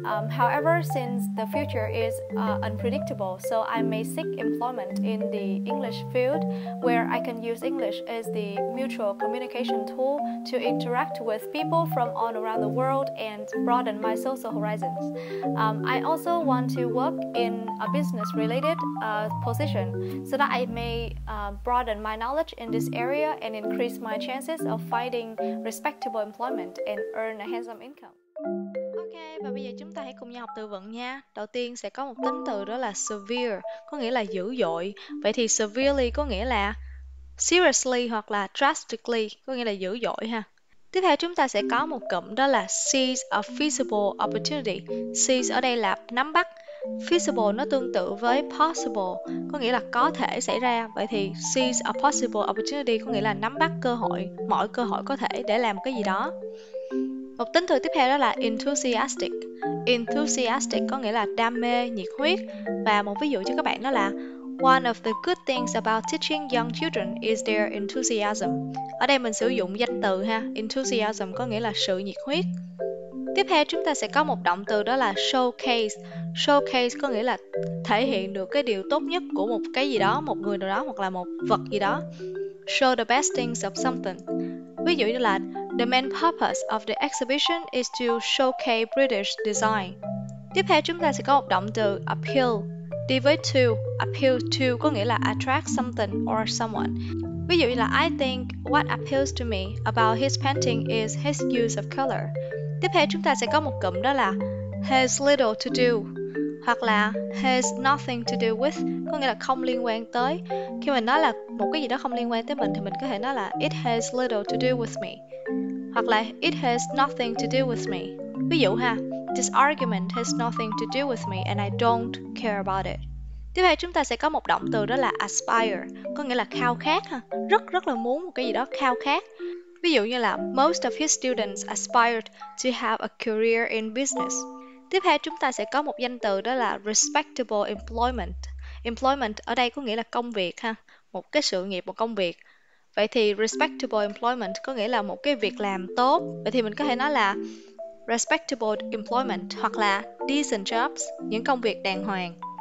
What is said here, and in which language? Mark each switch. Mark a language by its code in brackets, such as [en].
[en] However, since the future is unpredictable, so I may seek employment in the English field where I can use English as the mutual communication tool to interact with people from all around the world and broaden my social horizons. I also want to work in a business-related position so that I may broaden my knowledge in this area and increase my chances of finding respectable employment and earn a handsome income. [vi] Ok, và bây giờ chúng ta hãy cùng nhau học từ vựng nha. Đầu tiên sẽ có một tính từ đó là severe, có nghĩa là dữ dội. Vậy thì severely có nghĩa là seriously hoặc là drastically, có nghĩa là dữ dội ha. Tiếp theo chúng ta sẽ có một cụm đó là seize a feasible opportunity. Seize ở đây là nắm bắt. Feasible nó tương tự với possible, có nghĩa là có thể xảy ra. Vậy thì seize a possible opportunity có nghĩa là nắm bắt cơ hội, mọi cơ hội có thể để làm cái gì đó. Một tính từ tiếp theo đó là enthusiastic. Enthusiastic có nghĩa là đam mê, nhiệt huyết. Và một ví dụ cho các bạn đó là [en] one of the good things about teaching young children is their enthusiasm. [vi] Ở đây mình sử dụng danh từ ha, enthusiasm có nghĩa là sự nhiệt huyết. Tiếp theo chúng ta sẽ có một động từ đó là showcase. Showcase có nghĩa là thể hiện được cái điều tốt nhất của một cái gì đó, một người nào đó hoặc là một vật gì đó. [en] Show the best things of something. [vi] Ví dụ như là [en] the main purpose of the exhibition is to showcase British design. [vi] Tiếp theo chúng ta sẽ có một động từ appeal. Đi với to, appeal to có nghĩa là [en] attract something or someone. [vi] Ví dụ như là [en] I think what appeals to me about his painting is his use of color. [vi] Tiếp theo chúng ta sẽ có một cụm đó là has little to do hoặc là has nothing to do with, có nghĩa là không liên quan tới. Khi mình nói là một cái gì đó không liên quan tới mình thì mình có thể nói là [en] it has little to do with me [vi] hoặc là [en] it has nothing to do with me. [vi] Ví dụ ha, [en] this argument has nothing to do with me and I don't care about it. [vi] Tiếp theo chúng ta sẽ có một động từ đó là aspire, có nghĩa là khao khát ha, rất rất là muốn một cái gì đó, khao khát. Ví dụ như là [en] most of his students aspired to have a career in business. [vi] Tiếp theo chúng ta sẽ có một danh từ đó là respectable employment. Employment ở đây có nghĩa là công việc ha, một cái sự nghiệp, một công việc. Vậy thì respectable employment có nghĩa là một cái việc làm tốt. Vậy thì mình có thể nói là respectable employment hoặc là [en] decent jobs, [vi] những công việc đàng hoàng.